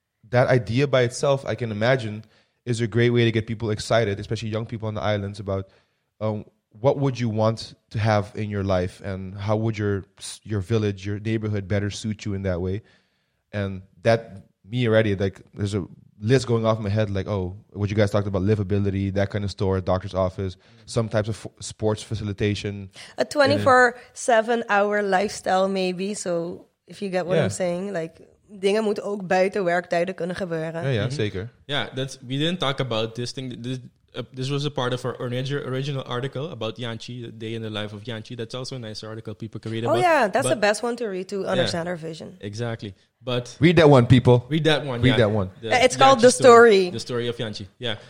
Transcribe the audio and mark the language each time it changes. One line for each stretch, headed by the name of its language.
English: That idea by itself, I can imagine, is a great way to get people excited, especially young people on the islands, about what would you want to have in your life and how would your village, your neighborhood better suit you in that way. And that, me already, like, there's a list going off in my head, like, oh, what you guys talked about, livability, that kind of store, doctor's office, some types of sports facilitation. A 24/7 hour lifestyle, maybe, so... If you get what I'm saying, like,
Dutch: dingen moeten ook buiten werktijden kunnen gebeuren.
English: Yeah, mm-hmm.
Dutch: Zeker.
English: Yeah, we didn't talk about this thing. This was a part of our original article about Yanchi, the day in the life of Yanchi. That's also a nice article people can read about. Oh, yeah, that's the best one to read to understand our vision. Exactly. But read that one, people. Read that one. Read that one. It's called Yanchi The Story. The Story of Yanchi, yeah.